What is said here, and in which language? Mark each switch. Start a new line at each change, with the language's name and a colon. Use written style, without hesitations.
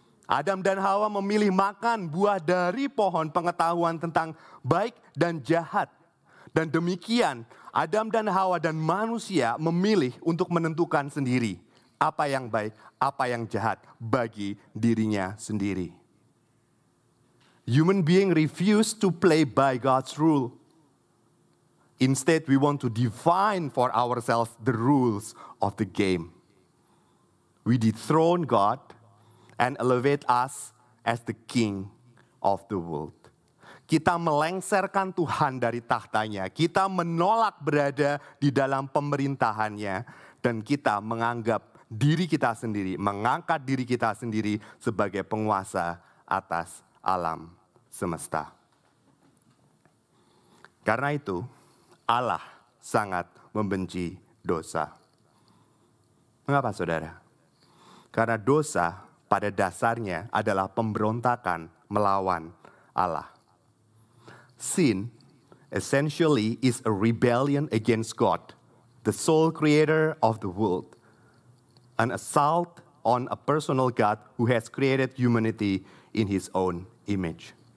Indonesian: Adam dan Hawa memilih makan buah dari pohon pengetahuan tentang baik dan jahat. Dan demikian, Adam dan Hawa dan manusia memilih untuk menentukan sendiri apa yang baik, apa yang jahat bagi dirinya sendiri.
English: Human being refuse to play by God's rule. Instead, we want to define for ourselves the rules of the game. We dethrone God and elevate us as the king of the world.
Indonesian: Kita melengserkan Tuhan dari tahtanya. Kita menolak berada di dalam pemerintahannya. Dan kita menganggap diri kita sendiri, mengangkat diri kita sendiri sebagai penguasa atas alam semesta. Karena itu, Allah sangat membenci dosa. Mengapa, saudara? Karena dosa pada dasarnya adalah pemberontakan melawan Allah.
English: Sin essentially is a rebellion against God, the sole creator of the world, an assault on a personal God who has created humanity in his own image.